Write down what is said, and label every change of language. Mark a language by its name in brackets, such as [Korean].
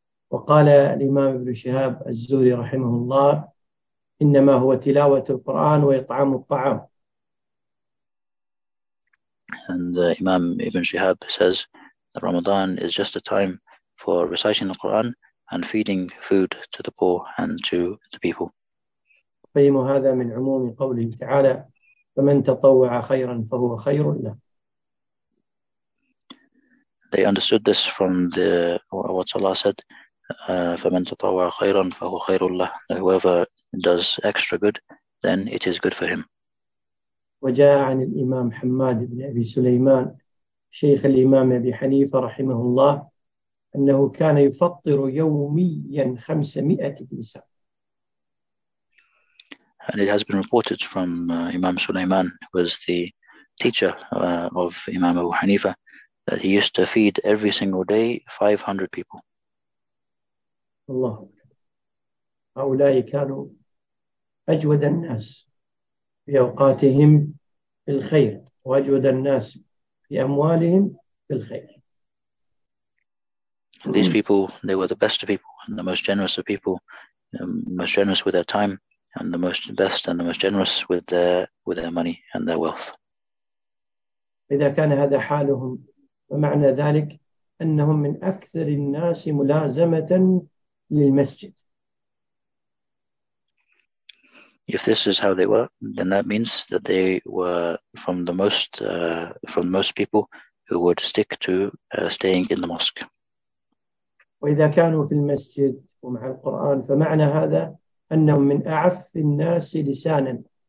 [Arabic] وقال الإمام ابن شهاب الزهري رحمه الله إنما هو تلاوة القرآن وإطعام الطعام. [English] And Imam Ibn Shihab says that Ramadan is just a time for reciting the Quran and feeding food to the poor and to the people. [Arabic] فهم هذا من عموم قوله تعالى فمن تطوع خيرا فهو خير له. [English] They understood this from the what Allah said, [Arabic] فمن تطوع خيرا فهو خير له. [English] Whoever does extra good, then it is good for him. [Arabic] وجاء عن الإمام حماد بن أبي سليمان شيخ الإمام أبي حنيفة رحمه الله أنه كان يفطر يوميا 500 إنسان. [English] And it has been reported from Imam Sulaiman, who was the teacher of Imam Abu Hanifa, that he used to feed every single day 500 people. [Arabic] الله أكبر. هؤلاء كانوا أجود الناس في أوقاتهم في الخير وأجود الناس في أموالهم في الخير. [English] These people, they were the best of people and the most generous of people, most generous with their time and the most best and the most generous with their money and their wealth. [Arabic] إذا كان هذا حالهم ومعنى ذلك أنهم من أكثر الناس ملازمة للمسجد. [English] If this is how they were, then that means that they were from the most people who would stick to staying in the mosque. [Arabic] وإذا كانوا في المسجد ومع القرآن فمعنى هذا أنهم من أعف الناس لسانا.